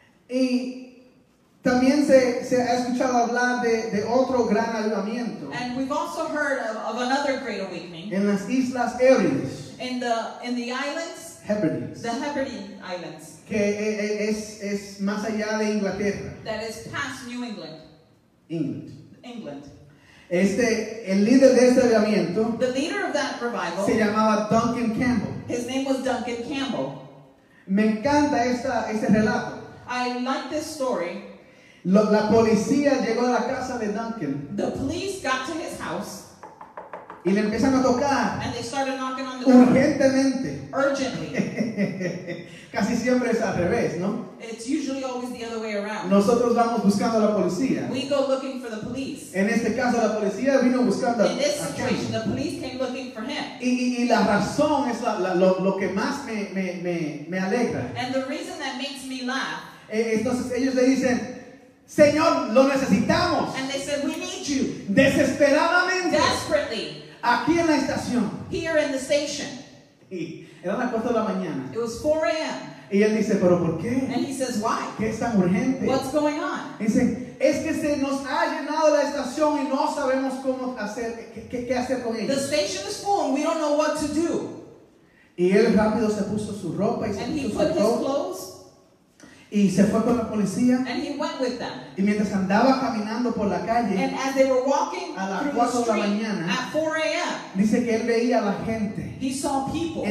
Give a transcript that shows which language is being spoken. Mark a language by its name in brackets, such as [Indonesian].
[Spanish] Y también se ha escuchado hablar de otro gran avivamiento. [English] And we've also heard of another great awakening. [Spanish] En las Islas Hebrides. [English] In the islands, Hebrides. The Hebridean islands, [Spanish] que es más allá de Inglaterra. [English] That is past New England. England. [Spanish] Este, el líder de este avivamiento, [English] the leader of that revival, [Spanish] se llamaba Duncan Campbell. [English] His name was Duncan Campbell. [Spanish] Me encanta este relato. [English] I like this story. [Spanish] La policía llegó a la casa de Duncan. [English] The police got to his house. [Spanish] Y le empiezan a tocar. [English] And they started knocking on the door. [Spanish] Urgentemente. [English] Urgently. [Spanish] Casi siempre es al revés, ¿no? [English] It's usually always the other way around. [Spanish] Nosotros vamos buscando a la policía. [English] We go looking for the police. [Spanish] En este caso, la policía vino buscando [English] a Kevin. In this situation, the police came looking for him. [Spanish] Y la razón es lo que más me alegra. [English] And the reason that makes me laugh. [Spanish] Entonces ellos le dicen, Señor, lo necesitamos. [English] And they said, we need you. [Spanish] Desesperadamente. [English] Desperately. [Spanish] Aquí en la estación. [English] Here in the station. [Spanish] Era las 4 de la mañana. [English] It was 4 a.m. [Spanish] Y él dice, ¿pero por qué? [English] And he says, why? [Spanish] ¿Qué es tan urgente? [English] What's going on? [Spanish] Dice, es que se nos ha llenado la estación y no sabemos cómo hacer, qué hacer con ellos. [English] The station is full and we don't know what to do. [Spanish] Y él rápido se puso su ropa y se puso su [English] clothes. And he put his clothes. [Spanish] Y se fue con la policía. [English] And he went with them. [Spanish] Y mientras andaba caminando por la calle, [English] and as they were walking [Spanish] a las 4 de la mañana, [English] at 4 a.m., [Spanish] dice que él veía a la gente, [English] he saw people